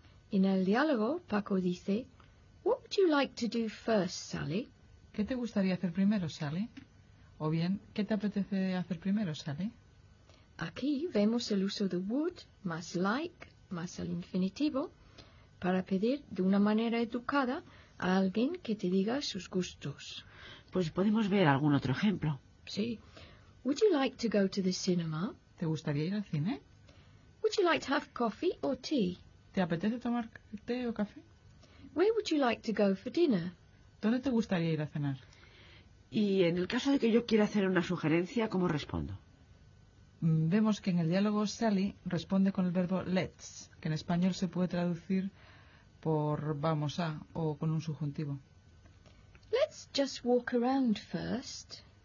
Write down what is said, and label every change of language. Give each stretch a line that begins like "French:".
Spanish: En el diálogo, Paco dice,
English: what would you like to do first, Sally?
Spanish: ¿Qué te gustaría hacer primero, Sally? O bien, ¿qué te apetece hacer primero, Sally? Aquí vemos el uso de would más like más el infinitivo para pedir de una manera educada a alguien que te diga sus gustos. Pues podemos ver algún otro ejemplo. Sí.
English: Would you like to go to the cinema?
Spanish: ¿Te gustaría ir al cine?
English: Would you like to have coffee or tea?
Spanish: ¿Te apetece tomar té o café?
English: Where would you like to go for dinner?
Spanish: ¿Dónde te gustaría ir a cenar? Y en el caso de que yo quiera hacer una sugerencia, ¿cómo respondo? Vemos que en el diálogo Sally responde con el verbo let's, que en español se puede traducir por vamos a o con un subjuntivo.
English: Let's just walk around first.